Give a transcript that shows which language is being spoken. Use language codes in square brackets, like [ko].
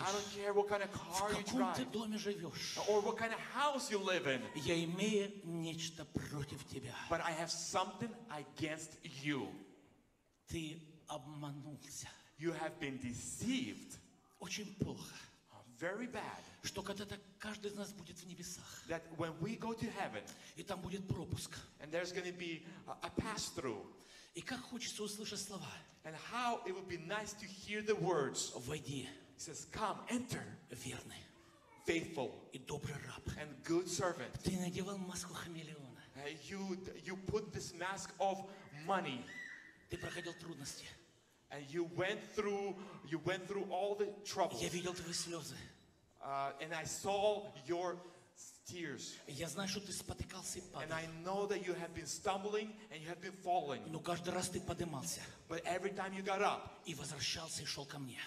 [en] I don't care what kind of car you drive. [ru] В каком ты доме живешь. [en] Or what kind of house you live in. [ru] Я имею нечто против тебя. [en] But I have something against you. [ru] Ты обманулся. [en] You have been deceived. [ru] Очень плохо. [en] Very bad. [ru] Что когда-то каждый из нас будет в небесах. [en] That when we go to heaven. [ru] И там будет пропуск. [en] And there's going to be a pass through. [ru] И как хочется услышать слова. [en] And how it would be nice to hear the words. [ru] Войди. [en] He says, come, enter. [ru] Верный. [en] Faithful. [ru] И добрый раб. [en] And good servant. [ru] Ты надевал маску хамелеона. [en] You put this mask of money. [ru] Ты проходил трудности. [en] And you went through all the troubles. [ru] Я видел твои слезы. [en] And I saw your tears. [ru] Я знаю, что ты спотыкался и падал. [en] And I know that you have been stumbling and you have been falling. [ru] Но каждый раз ты поднимался. [en] But every time you got up. [ru] И возвращался и шел ко мне.